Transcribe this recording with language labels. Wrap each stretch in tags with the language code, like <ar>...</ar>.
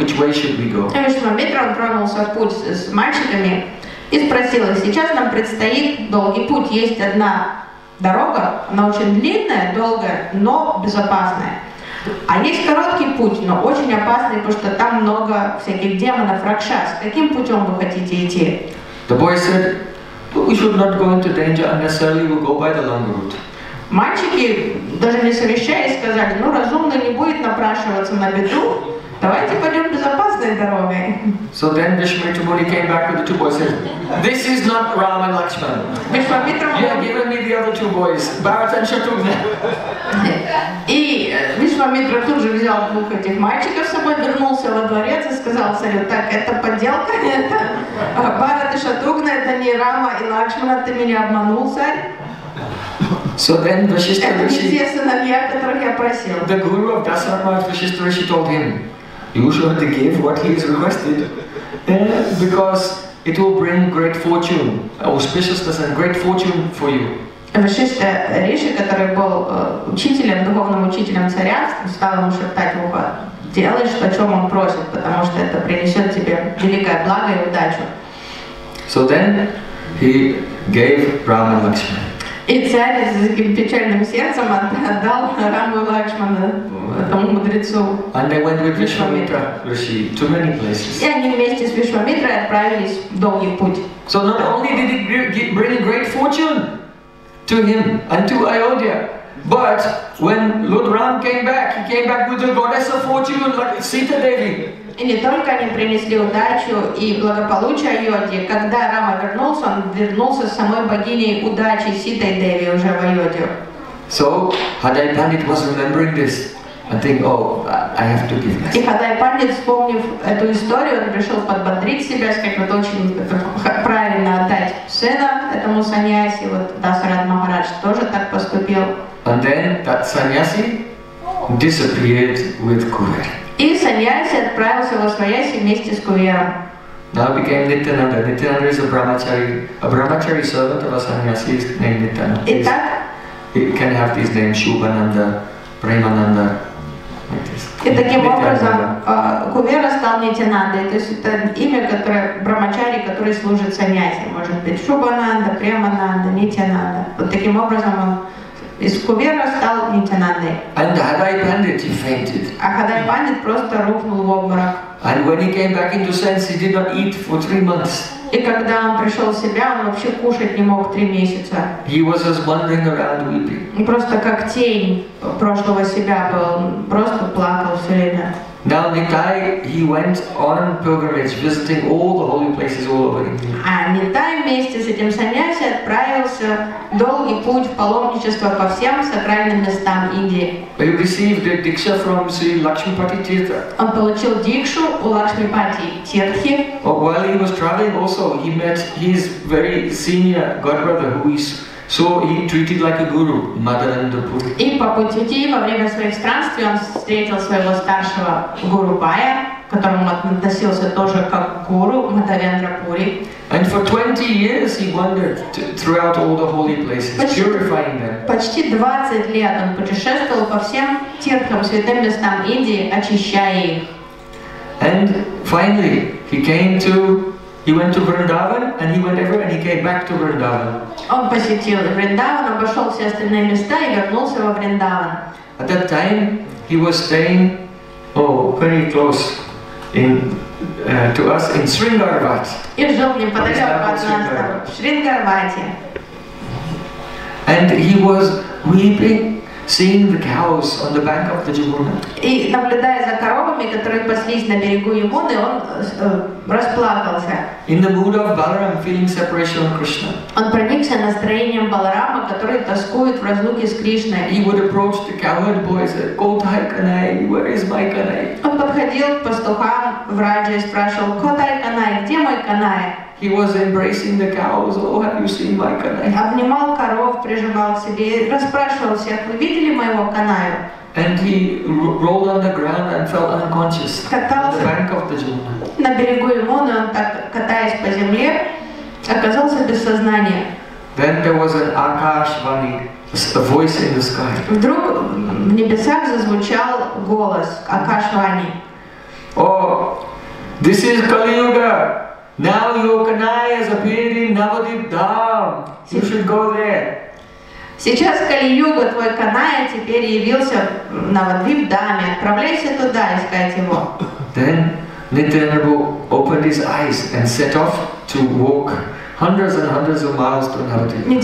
<en>Which way should we go?</en> <ru>Vishwamitra отправился в путь с мальчиками и спросил, сейчас нам предстоит долгий путь, есть одна дорога, она очень длинная, долгая, но безопасная. А есть короткий путь, но очень опасный, потому что там много всяких демонов, ракшас. Каким путем вы хотите идти?</ru> <en>The boy said, but we should not go into danger unnecessarily, we'll go by the long route.</en> <ru>Мальчики, даже не совещаясь, сказали, ну разумно не будет напрашиваться на беду, давайте пойдем безопасной дорогой.</ru> <en>So then Vishwamitra Muni came back with the two boys and said, this is not Ram and Lakshman. Vishwamitra Muni... You have given me the other two boys, Bharat and Shatrughna.</en> <ru>И Вишвамитра тут же взял двух этих мальчиков с собой, вернулся во дворец и сказал царю, так, это подделка, это Бхарат и Шатрухна, это не Рама и Лакшмана, ты меня обманул, царь.</ru> <en>So then Vashishtha Rishi,</en> <ru>это не те сыновья, которых я просил.</ru> <en>The guru of Dasarath Maharaj, Vashishtha Rishi, told him, you should give what he has requested, because it will bring great fortune, auspiciousness and great fortune for you.</en> <ru>Вишишта Риши, который был учителем, духовным учителем царя, стал ему шептать в ухо, делай, о чем он просит, потому что это принесет тебе великое благо и удачу.</ru> <en>So then he gave Rama Lakshmana.</en> <ru>И царь с таким печальным сердцем отдал Раму Лакшмана этому мудрецу.</ru> <en>And they went with Vishwamitra Rishi to many places.</en> <ru>И они вместе с Вишвамитрой отправились в долгий путь.</ru> <en>So not only did it bring great fortune to him and to Ayodhya, but when Lord Ram came back, he came back with the goddess of fortune, like Sita Devi.</en> <ru>И не только они принесли удачу и благополучие Айодхе, когда Рама вернулся, он вернулся с самой богиней удачи Ситой Деви уже в Айодхе.</ru> <en>So Hadai Pandit was remembering this and think, oh, I have to give this.</en> <ru>И Hadai Pandit, вспомнив эту историю, он решил подбодрить себя, сказать, вот очень правильно отдать сына этому саньяси, вот Дасарат Махарадж тоже так поступил.</ru> <en>And then that саньяси disappeared with Kuver.</en> <ru>И саньяси отправился во свояси вместе с Кувером.</ru> <en>Now became Nityananda. Nityananda is a brahmachari. A brahmachari servant of a saniyasi is named Nityananda.</en> <ru>Итак,</ru> <en>it can have these names, Shubhananda, Premananda,</en> <ru>И таким образом кумера стал Нитянанда, то есть это имя, которое брамачари, который служит саньяси, может быть Шубананда, Премананда, Нитянанда. Вот таким образом он из кумера стал Нитянандой.</ru> <en>And Hadai Pandit he fainted.</en> <ru>А Hadai Pandit просто рухнул в обморок.</ru> <en>And when he came back into sense, he did not eat for 3 months.</en> <ru>И когда он пришел в себя, он вообще кушать не мог 3 месяца.</ru> <en>He was just wandering around weeping.</en> <ru>Просто как тень прошлого себя был, просто плакал все время.</ru> <en>Now Nitai, he went on pilgrimage, visiting all the holy places all over India.</en> <ru>А Нитай вместе с этим саньяси отправился долгий путь в паломничество по всем сакральным местам Индии.</ru> <en>He received a diksha from Sri Lakshmipati Tirtha.</en> <ru>Он получил дикшу у Лакшмипати Тиртхи.</ru> <en>While he was traveling also, he met his very senior godbrother, who is so he treated like a guru, Madananda Puri.</en> <ru>И по пути, во время своих странствий, он встретил своего старшего гуру Бая, которому относился тоже как гуру, Мадхавендра Пури.</ru> <en>And for 20 years he wandered throughout all the holy places, purifying them.</en> <ru>Почти 20 лет он путешествовал по всем тиртхам, святым местам Индии, очищая их.</ru> <en>And finally he went to Vrindavan, and he went everywhere, and he came back to Vrindavan.</en> <ru>Он посетил Вриндаван, обошел все остальные места и вернулся во Вриндаван.</ru> <en>At that time he was staying, very close to us in Srinagarbhat.</en> <ru>И жил неподалеку от нас в Шрингарбате.</ru> <en>And he was weeping, seeing the cows on the bank of the Yamuna.</en> <ru>И наблюдая за коровами, которые паслись на берегу Ямуны, он расплакался.</ru> <en>In the mood of Balaram, feeling separation from Krishna.</en> <ru>Он проникся настроением Баларама, который тоскует в разлуке с Кришной.</ru> <en>He would approach the cowherd boys, "Kotai Kanai, where is my Kanai?"</en> <ru>Он подходил к пастухам в Раджа и спрашивал, "Kotai Kanai, где мой Kanai?"</ru> <en>He was embracing the cows. Oh, have you seen my Kanai?</en> <ru>Обнимал коров, прижимал к себе, расспрашивал всех, вы видели моего Kanai?</ru> <en>And he rolled on the ground and fell unconscious.</en> <ru>Катался</ru> <en>on the bank of the Jhumna.</en> <ru>На берегу Ямуны, он так катаясь по земле, оказался без сознания.</ru> <en>Then there was an Akashvani, a voice in the sky.</en> <ru>Вдруг в небесах зазвучал голос Akashvani.</ru> <en>Oh, this is Kali Yuga. Now your Kanai has appeared in Navadvip Dham. You should go there.</en> <ru>Сейчас Кали-Юга, твой Канай теперь явился на Навадвип Дхаме. Отправляйся туда искать его.</ru> <en>Then Nityananda opened his eyes and set off to walk hundreds and hundreds of miles to Navadvip.</en>